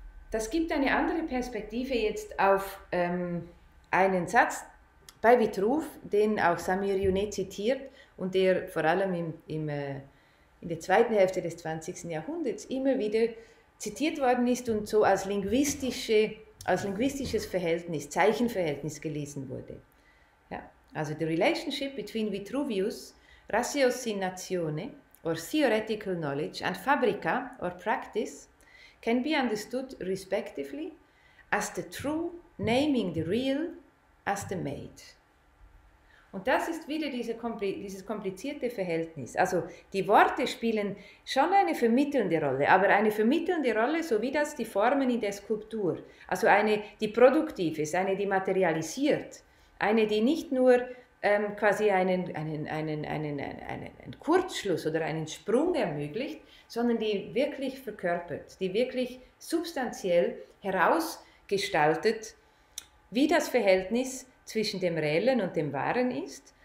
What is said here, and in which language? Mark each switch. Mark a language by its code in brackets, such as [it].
[de] Das gibt eine andere Perspektive jetzt auf einen Satz bei Vitruv, den auch Samir Yuneh zitiert und der vor allem in der zweiten Hälfte des 20. Jahrhunderts immer wieder zitiert worden ist und so als linguistisches Verhältnis, Zeichenverhältnis gelesen wurde. Ja, also [en] the relationship between Vitruvius, ratiocinazione or theoretical knowledge and fabrica or practice can be understood respectively as the true naming the real as the made. [de] Und das ist wieder dieses komplizierte Verhältnis. Also die Worte spielen schon eine vermittelnde Rolle, aber eine vermittelnde Rolle, so wie das die Formen in der Skulptur, also eine, die produktiv ist, eine, die materialisiert, eine, die nicht nur quasi einen Kurzschluss oder einen Sprung ermöglicht, sondern die wirklich verkörpert, die wirklich substanziell herausgestaltet, wie das Verhältnis zwischen dem Reellen und dem Wahren ist.